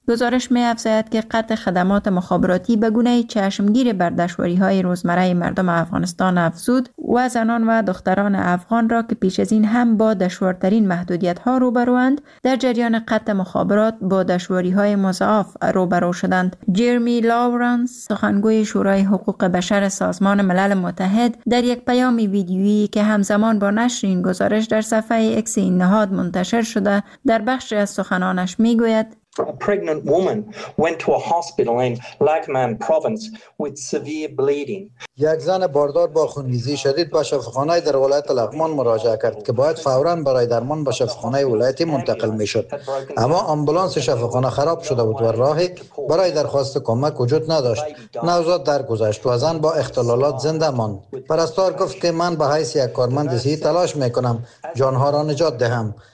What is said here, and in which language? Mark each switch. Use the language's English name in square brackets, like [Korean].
[Persian] گزارش می افزاید که قطع خدمات مخابراتی به گونه چشمگیر بر دشواری‌های روزمره مردم افغانستان افزود و زنان و دختران افغان را که پیش از این هم با دشوارترین محدودیت‌ها روبرواند در جریان قطع مخابرات با دشواری‌های مضاعف روبرو شدند. جرمی لاورنس، سخنگوی شورای حقوق بشر سازمان ملل متحد، در یک پیام ویدیویی که همزمان با نشر این گزارش در صفحه اکس این نهاد منتشر شده، در بخشی از سخنانش می‌گوید: [English] A pregnant woman went to a hospital in Lakhman province with severe bleeding. [Persian] یک زن باردار با خونریزی شدید به شفاخانه در ولایت لغمان مراجعه کرد که باید فوراً برای درمان به شفاخانه ولایتی منتقل میشد. اما آمبولانس شفاخانه خراب شده بود و راهی برای درخواست کمک وجود نداشت. نوزاد درگذشت و زن با اختلالات زنده ماند. پرستار گفت که من به حیث یک کارمند صحی تلاش میکنم جانها را نجات دهم.